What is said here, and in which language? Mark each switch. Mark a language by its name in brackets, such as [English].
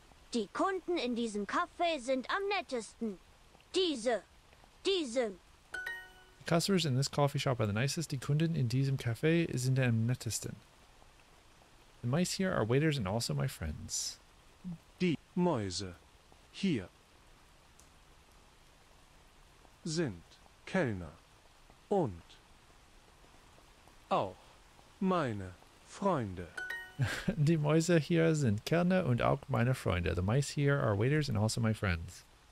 [German] Die Kunden in diesem Café sind am nettesten. [English] The customers in this coffee shop are the nicest. [German] Die Kunden in diesem Café sind am nettesten. [English] The mice here are waiters and also my friends. [German] Die Mäuse hier sind Kellner und auch meine Freunde. Die Mäuse hier sind Kellner und auch meine Freunde. [English] The mice here are waiters and also my friends.